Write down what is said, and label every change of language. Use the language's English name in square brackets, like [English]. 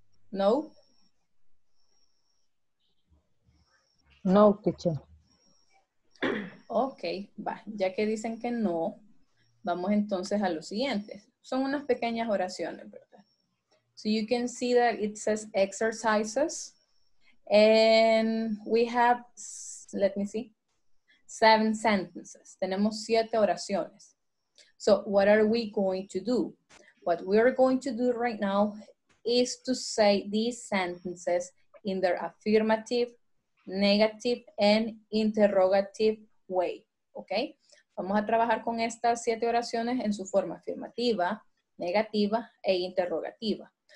[English] No. No, teacher. [Spanish] Ok, va. Ya que dicen que no, vamos entonces a lo siguiente. Son unas pequeñas oraciones, ¿verdad? [English] So you can see that it says exercises. And we have, let me see, 7 sentences. [Spanish] Tenemos 7 oraciones. [English] So what are we going to do? What we are going to do right now is to say these sentences in their affirmative, negative, and interrogative way, okay? [Spanish] Vamos a trabajar con estas 7 oraciones en su forma afirmativa, negativa, e interrogativa.